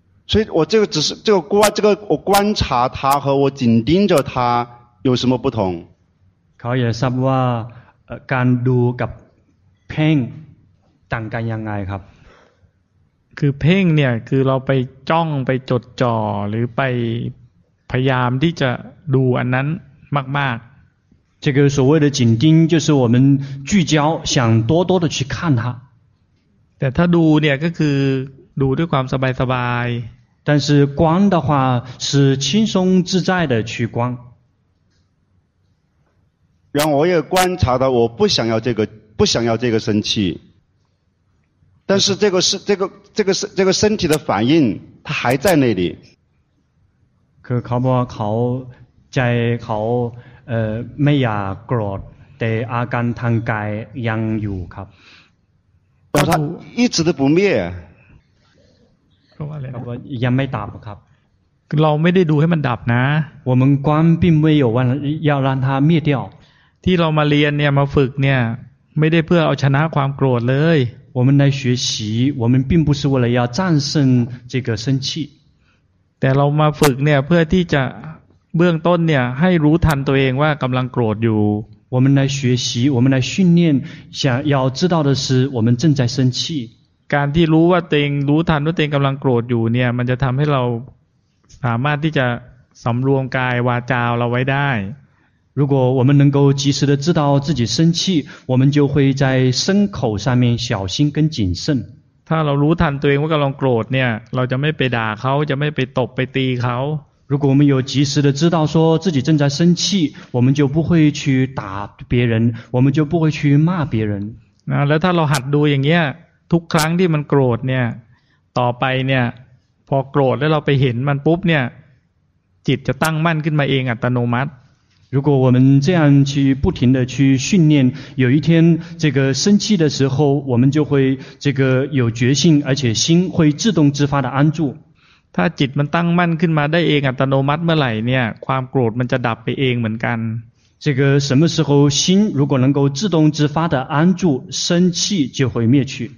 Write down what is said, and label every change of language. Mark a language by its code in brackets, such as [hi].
[zh] 所以我这个只是这个观这个我观察他和我紧盯着他有什么不同 [th] เขาอยากทราบว่าการดูกับเพ่งต่างกันยังไงครับ คือเพ่งเนี่ยคือเราไปจ้องไปจดจ่อหรือไปพยายามที่จะดูอันนั้นมาก [zh] ๆ这个所谓的紧盯就是我们聚焦想多多的去看它 [th] แต่ถ้าดูเนี่ยก็คือดูด้วยความสบายสบาย [zh] 但是观的话是轻松自在的去观然后我也观察到我不想要这个不想要这个生气但是这个是这个这个是这个身体的反应它还在那里 그가보아가오자의가오매야그로대아간탄가이양유가 然后它一直都不灭说话了我也没打不开 [th] เราไม่ได้ดูให้มันดับนะ [zh] 我们观并没有要让它灭掉 [th] ที่เรามาเรียนเนี่ยมาฝึกเนี่ยไม่ได้เพื่อเอาชนะความโกรธเลย [zh] 我们来学习我们并不是为了要战胜这个生气 [th] แต่เรามาฝึกเนี่ยเพื่อที่จะเบื้องต้นเนี่ยให้รู้ทันตัวเองว่ากำลังโกรธอยู่ [zh] 我们来学习我们来训练想要知道的是我们正在生气 [th] การที่รู้ว่าตัวเองรู้ทันว่าตัวเองกำลังโกรธอยู่เนี่ยมันจะทำให้เราสามารถที่จะสำรวมกายวาจาเราไว้ได้ [zh] 如果我们能够及时的知道自己生气，我们就会在身口上面小心跟谨慎。 [th] ถ้าเรารู้ทันตัวเองว่ากำลังโกรธเนี่ยเราจะไม่ไปด่าเขาจะไม่ไปตบไปตีเขา [zh] 如果我们有及时的知道说自己正在生气，我们就不会去打别人，我们就不会去骂别人。 [th] แล้วถ้าเราหัดดูอย่างเงี้ยทุกครั้งที่มันโกรธเนี่ยต่อไปเนี่ยพอโกรธแล้วเราไปเห็นมันปุ๊บเนี่ยจิตจะตั้งมั่นขึ้นมาเองอัตโนมัติ [zh] 如果我们这样去不停的去训练，有一天这个生气的时候，我们就会这个有决心，而且心会自动自发的安住。 [th] ถ้าจิตมันตั้งมั่นขึ้นมาได้เองอัตโนมัติเมื่อไหร่เนี่ยความโกรธมันจะดับไปเองเหมือนกัน。 [zh] 这个什么时候心如果能够自动自发的安住，生气就会灭去。